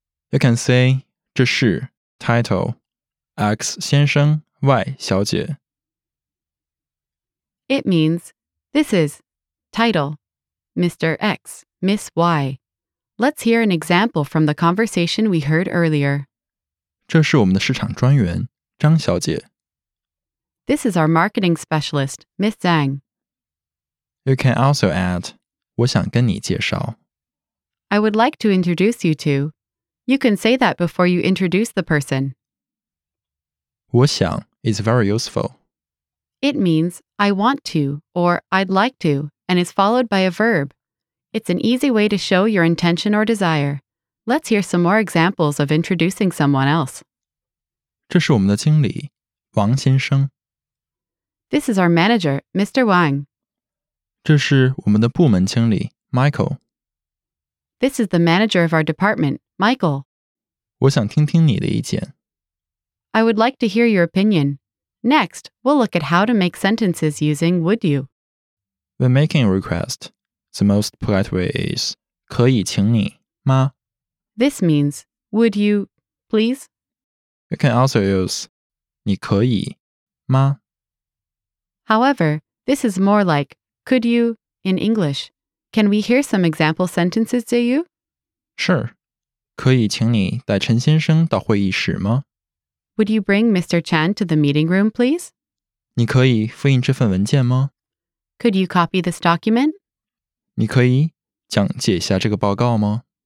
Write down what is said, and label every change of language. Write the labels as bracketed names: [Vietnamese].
[English] You can say, [Chinese] 这是 title, X 先生 Y 小姐 [English] It means, this is title, Mr. X, Miss Y. Let's hear an example from the conversation we heard earlier. [Chinese] 这是我们的市场专员张小姐。 [English] This is our marketing specialist, Miss Zhang. You can also add, [Chinese] 我想跟你介绍。 [English] I would like to introduce you to. You can say that before you introduce the person. 我想 is very useful. It means, I want to, or I'd like to, and is followed by a verb. It's an easy way to show your intention or desire. Let's hear some more examples of introducing someone else. [Chinese] 这是我们的经理,王先生。 [English] This is our manager, Mr. Wang. [Chinese] 这是我们的部门经理, Michael. [English] This is the manager of our department, Michael. [Chinese] 我想听听你的意见。 [English] I would like to hear your opinion. Next, we'll look at how to make sentences using would you. When making a request,The most polite way is [Chinese] 可以请你吗? [English] This means, would you, please? You can also use [Chinese] 你可以吗? [English] However, this is more like could you in English. Can we hear some example sentences to you? Sure. [Chinese] 可以请你带陈先生到会议室吗? [English] Would you bring Mr. Chan to the meeting room, please? [Chinese] 你可以复印这份文件吗? [English] Could you copy this document? [Chinese] 你可以讲解一下这个报告吗?